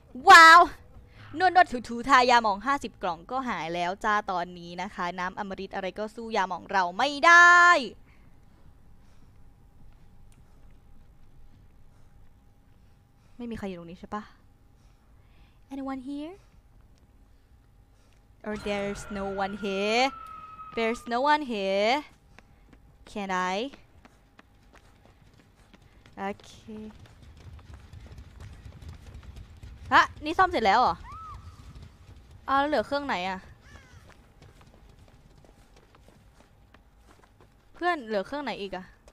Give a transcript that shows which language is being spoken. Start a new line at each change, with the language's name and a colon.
Thai: ว้าวนวดนวดถูถูทายาหมอง50กล่องก็หายแล้วจ้าตอนนี้นะคะน้ำอมฤตอะไรก็สู้ยาหมองเราไม่ได้ไม่มีใครอยู่ตรงนี้ใช่ป่ะ
English: Anyone here? Or there's no one here? Can I?
Thai: โอเคฮะนี่ซ่อมเสร็จแล้วเหรออ้าวแล้วเหลือเครื่องไหนอ่ะเพื่อนเหลือเครื่องไหนอีกอ่ะ